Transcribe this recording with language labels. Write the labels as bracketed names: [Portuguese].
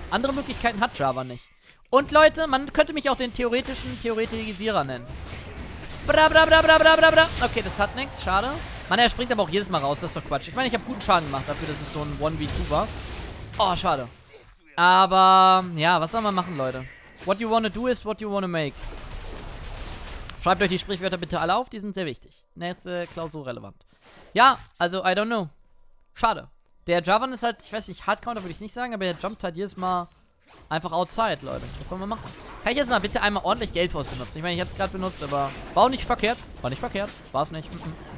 [German] Andere Möglichkeiten hat Jarvan nicht. Und Leute, man könnte mich auch den theoretischen Theoretisierer nennen. Bra, bra, bra, bra, bra, bra, bra. Okay, das hat nichts. Schade. Mann, er springt aber auch jedes Mal raus. Das ist doch Quatsch. Ich meine, ich habe guten Schaden gemacht dafür, dass es so ein 1v2 war. Oh, schade. Aber, ja, was soll man machen, Leute? [English] What you wanna do is what you wanna make. [German] Schreibt euch die Sprichwörter bitte alle auf. Die sind sehr wichtig. Nächste Klausur relevant. Ja, also, [English] I don't know. [German] Schade. Der Jarvan ist halt, ich weiß nicht, Hardcounter würde ich nicht sagen, aber der jumpt halt jedes Mal einfach outside, Leute. Was soll man machen? Kann ich jetzt mal bitte einmal ordentlich Gale Force benutzen? Ich meine, ich habe es gerade benutzt, aber war auch nicht verkehrt. War nicht verkehrt. War es nicht. Mhm.